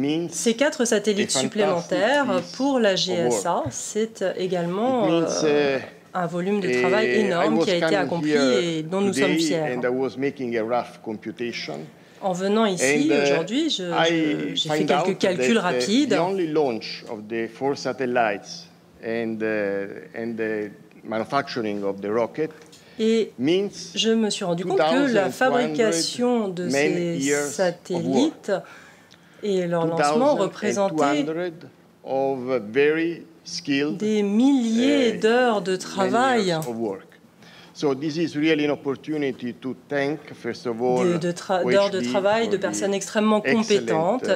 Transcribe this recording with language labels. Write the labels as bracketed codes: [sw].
[fr] Ces 4 satellites supplémentaires pour la GSA, c'est également un volume de travail énorme qui a été accompli et dont nous sommes fiers. [en] And I was making a rough computation. [fr] En venant ici aujourd'hui, j'ai fait quelques calculs rapides. [en] The only launch of the 4 satellites and the manufacturing of the rocket. [fr] Et je me suis rendu compte que la fabrication de ces satellites et leur lancement représentaient des milliers d'heures de travail. D'heures de travail de personnes extrêmement compétentes.